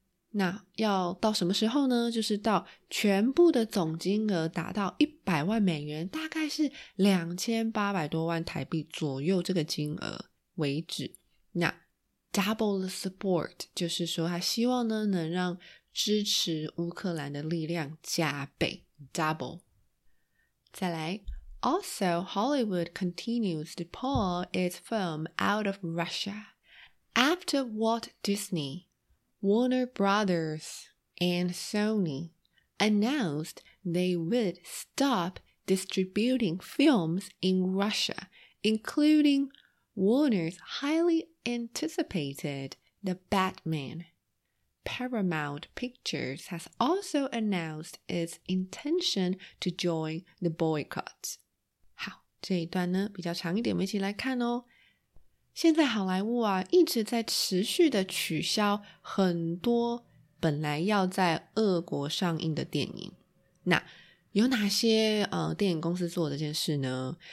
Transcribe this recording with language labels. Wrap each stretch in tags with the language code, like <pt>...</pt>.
<zh>那要到什么时候呢？就是到全部的总金额达到$1,000,000，大概是2800多万台币左右这个金额为止。那</zh> <en>double the support</en> <zh>就是说他希望呢能让支持乌克兰的力量加倍，</zh> <en>double。</en> <zh>再来，</zh> <en>Also Hollywood continues to pull its film out of RussiaAfter Walt Disney, Warner Brothers, and Sony announced they would stop distributing films in Russia, including Warner's highly anticipated The Batman. Paramount Pictures has also announced its intention to join the boycott.</en> <zh>好，这一段呢，比较长一点，我们一起来看哦。现在好莱坞啊一直在持续的取消很多本来要在俄国上映的电影。那有哪些电影公司做这件事呢？</zh>